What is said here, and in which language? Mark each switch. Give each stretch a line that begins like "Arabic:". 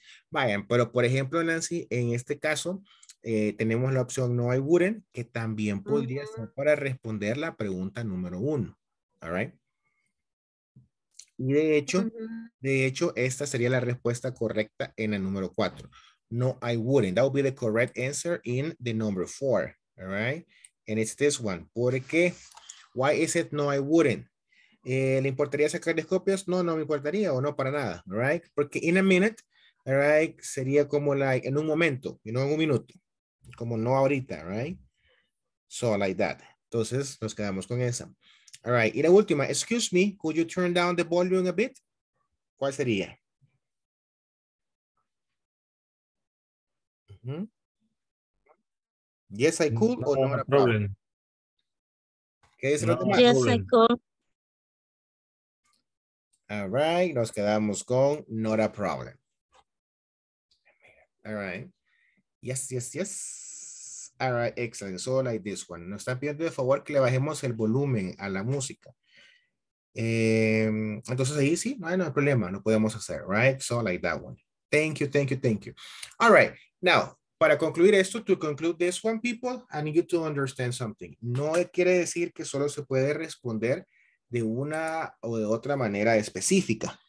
Spanish: Vayan, pero por ejemplo, Nancy, en este caso, tenemos la opción
English: no, I wouldn't,
Spanish: que también podría uh-huh. ser para responder la pregunta número uno. All right. Y de hecho, uh-huh. de hecho, esta sería la respuesta correcta en el número cuatro.
English: No, I wouldn't. That would be the correct answer in the number four. All right. And it's this one.
Spanish: ¿Por qué?
English: Why is it no, I wouldn't?
Spanish: ¿Le importaría sacar las copias? No me importaría o no para nada. All right. Porque
English: in a minute,
Spanish: all right, sería como like en un momento y no en un minuto. Como no ahorita, right? So like that. Entonces nos quedamos con esa. All right. Y la última.
English: Excuse me. Could you turn down the volume a bit?
Spanish: ¿Cuál sería? Mm-hmm.
English: Yes, I could no, or not a problem.
Spanish: ¿Qué es no,
English: yes, problem. I could.
Spanish: All right, nos quedamos con
English: not a problem. All right. Yes. All right, excellent. So like this one.
Spanish: Nos están pidiendo de favor que le bajemos el volumen a la música. Entonces ahí sí, no hay problema, lo podemos hacer, right?
English: So like that one. Thank you. All right, now.
Spanish: Para concluir esto,
English: to conclude this one, people, I need you to understand something.
Spanish: No quiere decir que solo se puede responder de una o de otra manera específica.